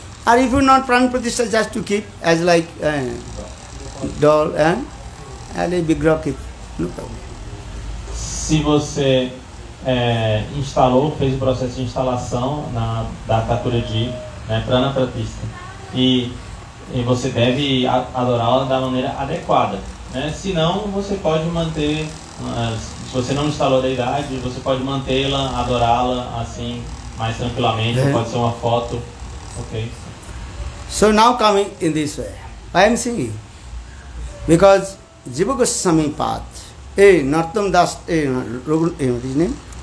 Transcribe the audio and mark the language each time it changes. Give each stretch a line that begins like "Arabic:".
English: Or if you not Prana Pratishtha, just to keep as like doll and a big rock keep. No problem.
Portuguese: Se você instalou, fez o processo de instalação da Thakurji, Prana Pratishtha, e você deve adorá-la da maneira adequada. Se não, você pode manter. Se você não instalou a deidade, você pode mantê-la, adorá-la assim, mais tranquilamente, pode ser uma foto, ok?
English: So now coming in this way, I am singing. Because Jiva Goswami Pada, Narottam Das, what is his name?